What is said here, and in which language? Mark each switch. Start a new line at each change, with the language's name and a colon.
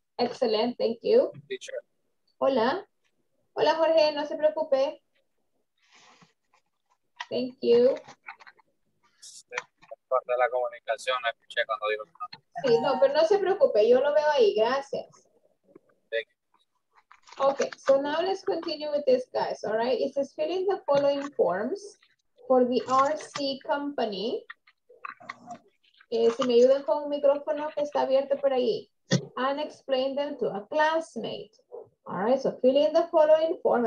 English: Excellent, thank you. Teacher.
Spanish: Hola. Hola, Jorge, no se preocupe.
English: Thank you.
Spanish: Parte de la comunicación, la escuché cuando dijo. Sí, no, pero no se preocupe, yo lo veo ahí, gracias.
English: Okay, so now let's continue with this, guys, all right? It says, fill in the following forms for the RC company.
Spanish: Si me ayudan con un micrófono que está abierto por ahí.
English: And explain them to a classmate. All right, so fill in the following form.